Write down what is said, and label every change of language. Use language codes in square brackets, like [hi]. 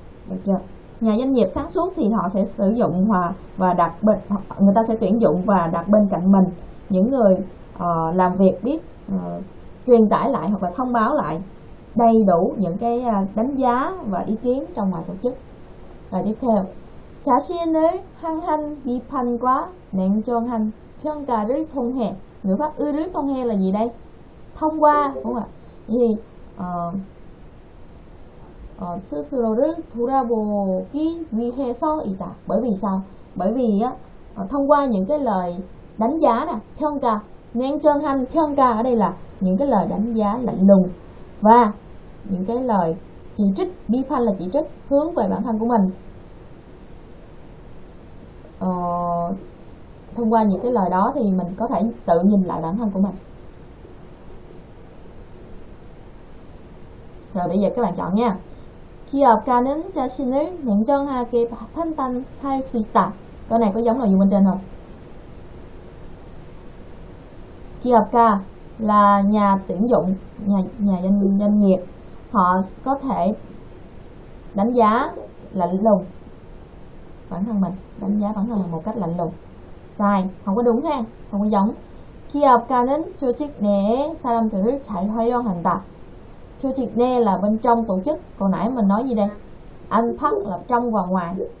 [vi] Được chưa? Nhà doanh nghiệp sáng suốt thì họ sẽ sử dụng và đặt bên, người ta sẽ tuyển dụng và đặt bên cạnh mình những người làm việc biết truyền tải lại hoặc là thông báo lại đầy đủ những cái đánh giá và ý kiến trong ngoài tổ chức. Rồi tiếp theo. [ko] 자신을 향한 비판과 냉정한 평가를 통해. [vi] Ngữ pháp 을을 통해 là gì đây? Thông qua, đúng không ạ? [ko] Thì 스스로를 돌아보기 위해서이다. [vi] Bởi vì sao? Bởi vì thông qua những cái lời đánh giá nè, 평가, [ko] 냉정한 평가 [vi] ở đây là những cái lời đánh giá lạnh lùng và những cái lời chỉ trích, 비판 là chỉ trích hướng về bản thân của mình. thông qua những cái lời đó thì mình có thể tự nhìn lại bản thân của mình. Rồi bây giờ các bạn chọn nha. [ko] 기업가는 자신을 냉정하게 판단할 수 있다. [vi] Câu này có giống nội dung bên trên không? 기업가 là nhà tuyển dụng, nhà doanh nghiệp. Họ có thể đánh giá lạnh lùng bản thân mình, đánh giá bản thân mình một cách lạnh lùng. Sai, không có đúng ha, không có giống. [ko] 기업가는 조직 내 사람들을 잘 활용한다. [vi] 조직 내 là bên trong tổ chức. Còn nãy mình nói gì đây? Anh phát là trong và ngoài.